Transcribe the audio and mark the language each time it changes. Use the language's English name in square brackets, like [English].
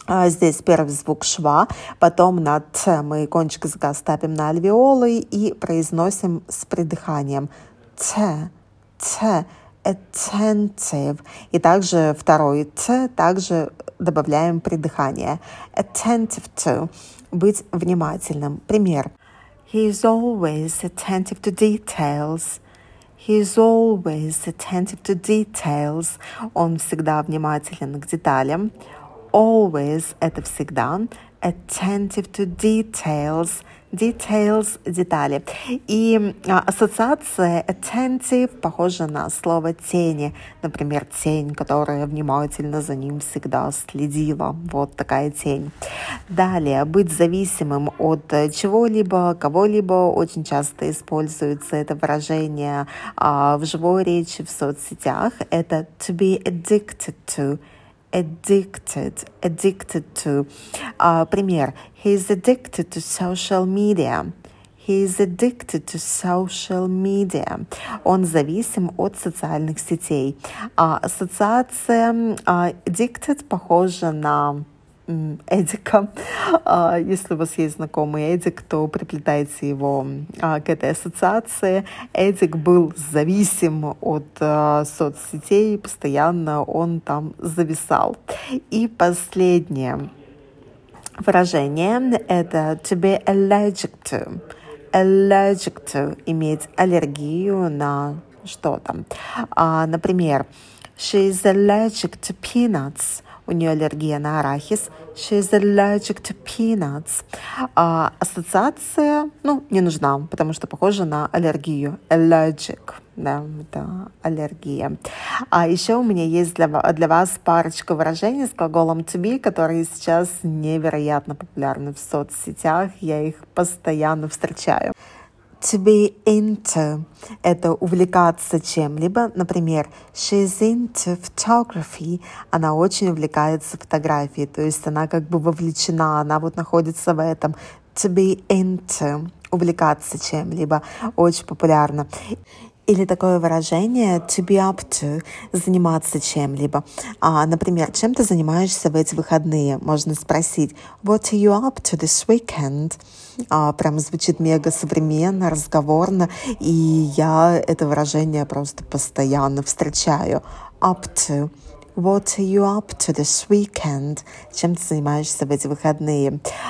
[Russian] Здесь первый звук шва, потом на «т» мы кончик языка ставим на альвеолы и произносим с придыханием «т», «т», «attentive». И также второй «т» также добавляем придыхание. [English] «Attentive to» [Russian] — быть внимательным. Пример. [English] He is always attentive to details. He is always attentive to details. [Russian] Он всегда внимателен к деталям. Always – это всегда. [English] Attentive to details. Details – [Russian] детали. И ассоциация attentive похожа на слово тени. Например, тень, которая внимательно за ним всегда следила. Вот такая тень. Далее. Быть зависимым от чего-либо, кого-либо. Очень часто используется это выражение в живой речи, в соцсетях. Это [English] to be addicted to. Addicted, addicted to. [Russian] Пример. [English] He is addicted to social media. He is addicted to social media. [Russian] Он зависим от социальных сетей. Ассоциация addicted похожа на Эдика. Если у вас есть знакомый Эдик, то приплетайте его к этой ассоциации. Эдик был зависим от соцсетей, постоянно он там зависал. И последнее выражение — это [English] to be allergic to. Allergic to — [Russian] иметь аллергию на что-то. Например, [English] she is allergic to peanuts. [Russian] У нее аллергия на арахис. [English] She's allergic to peanuts. [Russian] Ассоциация, ну, не нужна, потому что похожа на аллергию. Allergic. Да, это аллергия. А еще у меня есть для вас парочка выражений с глаголом [English] to be, [Russian] которые сейчас невероятно популярны в соцсетях. Я их постоянно встречаю. [English] To be into [Russian] – это увлекаться чем-либо. Например, [English] she's into photography [Russian] – она очень увлекается фотографией, то есть она как бы вовлечена, она вот находится в этом. [English] To be into [Russian] – увлекаться чем-либо – очень популярно. Или такое выражение [English] to be up to [Russian] – заниматься чем-либо. А, например, чем ты занимаешься в эти выходные? Можно спросить [English] what are you up to this weekend? [Russian] Прям звучит мега современно, разговорно, и я это выражение просто постоянно встречаю. [English] Up to. What are you up to this weekend? [Russian] Чем ты занимаешься в эти выходные?